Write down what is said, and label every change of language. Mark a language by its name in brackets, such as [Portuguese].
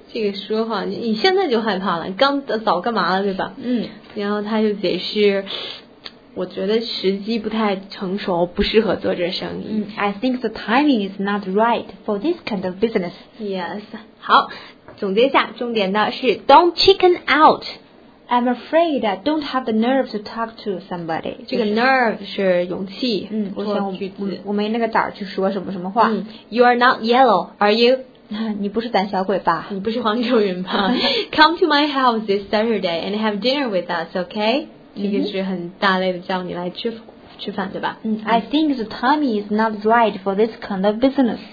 [Chinese] 这个说话你现在就害怕了，刚早干嘛了，对吧？然后他就解释，我觉得时机不太成熟，不适合做这生意。 [English] I think the timing is not right for this kind of business. [Chinese] Yes. 好，总结一下，重点的是 [English] don't chicken out. I'm afraid I don't have the nerve to talk to somebody. [Chinese] 这个 nerve 是勇气。我没那个胆去说什么什么话。 [English] You are not yellow, are you? [Chinese] 你不是胆小鬼吧？你不是黄种人吧？ [English] Come to my house this Saturday and have dinner with us, okay? [Chinese] 这个是很大类的叫你来吃饭，对吧？ [English] I think the time is not right for this kind of business.